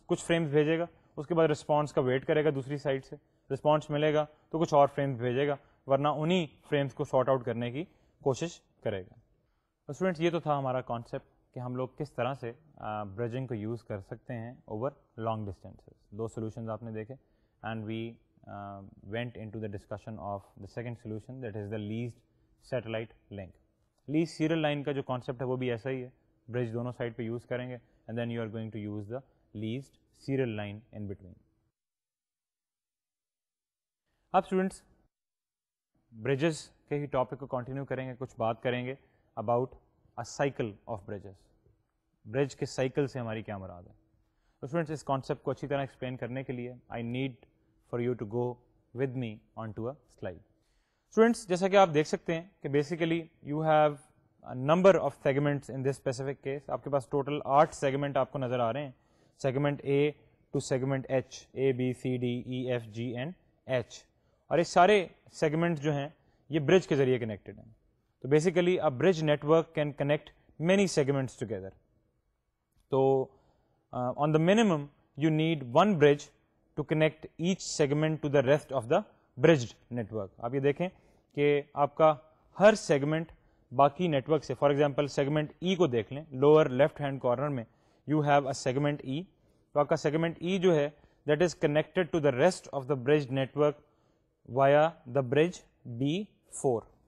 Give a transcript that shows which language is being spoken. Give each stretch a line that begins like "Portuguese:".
Urdu: کچھ فریمس بھیجے گا اس کے بعد رسپانس کا ویٹ کرے گا دوسری سائڈ سے, رسپانس ملے گا تو کچھ اور فریمس بھیجے گا ورنہ انہیں فریمس کو شارٹ آؤٹ کرنے کی کوشش کرے گا. اسٹوڈینٹس یہ تو تھا ہمارا کانسیپٹ کہ ہم لوگ کس طرح سے بریجنگ کو یوز کر سکتے ہیں
English: Over long distances.
Urdu: دو سولوشنز آپ نے دیکھے
English: And we went into the discussion of the second solution that is the leased satellite link.
Urdu: List serial line کا جو کانسیپٹ ہے وہ بھی ایسا ہی ہے, بریج دونوں سائڈ پہ یوز کریں گے
English: And then you are going to use the leased serial line in between.
Urdu: اب اسٹوڈینٹس بریجز کے ہی ٹاپک کو کنٹینیو کریں گے, کچھ بات کریں گے
English: About a cycle of bridges.
Urdu: برج کے سائیکل سے ہماری کیا مراد ہے؟ اسٹوڈینٹس اس کانسیپٹ کو اچھی طرح ایکسپلین کرنے کے لیے
English: I need for you to go with me on to a slide.
Urdu: Students جیسا کہ آپ دیکھ سکتے ہیں کہ
English: Basically you have number of segments in this specific case.
Urdu: آپ کے پاس ٹوٹل 8 سیگمنٹ آپ کو نظر آ رہے ہیں, segment A to segment H, a B C D E F جی and H. اور یہ سارے سیگمنٹ جو ہیں یہ برج کے ذریعے کنیکٹڈ ہیں.
English: تو basically a bridge network can connect many segments together. تو on the minimum you need one bridge to connect each segment to the rest of the bridged network.
Urdu: آپ یہ دیکھیں کہ آپ کا ہر سیگمنٹ باقی نیٹورک سے,
English: for example
Urdu: سیگمنٹ ای کو دیکھ لیں,
English: lower left hand corner
Urdu: میں
English: You have a segment E.
Urdu: تو آپ کا سیگمنٹ ای جو ہے
English: That is connected to the rest of the bridged network via the bridge B four.